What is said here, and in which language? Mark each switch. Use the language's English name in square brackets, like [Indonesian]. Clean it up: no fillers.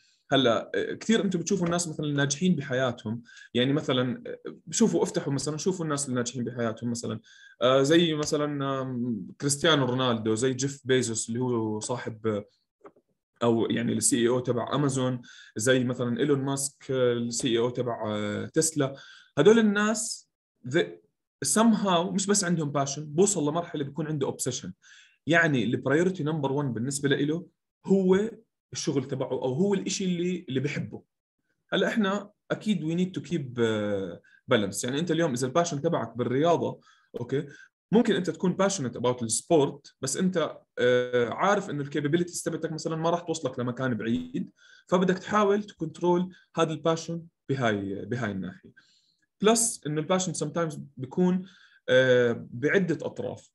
[Arabic] هلا كثير انتم بتشوفوا الناس مثلا الناجحين بحياتهم، يعني مثلا بشوفوا افتحوا مثلا شوفوا الناس الناجحين بحياتهم مثلا زي مثلا كريستيانو رونالدو، زي جيف بيزوس اللي هو صاحب او يعني السي اي او تبع امازون، زي مثلا ايلون ماسك السي اي او تبع تسلا. هدول الناس somehow مش بس عندهم passion، بوصل لمرحلة بيكون عنده obsession. يعني اللي [English] priority number one [Arabic] بالنسبة له هو الشغل تبعه أو هو الإشي اللي بحبه. هلا إحنا أكيد [English] we need to keep balance. [Arabic] يعني أنت اليوم إذا الباشن تبعك بالرياضة، أوكي، ممكن أنت تكون [English] passionate about the sport [Arabic] بس أنت عارف إنه الكابابيليتي تبعتك مثلاً ما راح توصلك لمكان بعيد، فبدك تحاول تكنترول هذا الباشن بهاي الناحية. بلس إنه الباشن sometimes بيكون بعدة أطراف.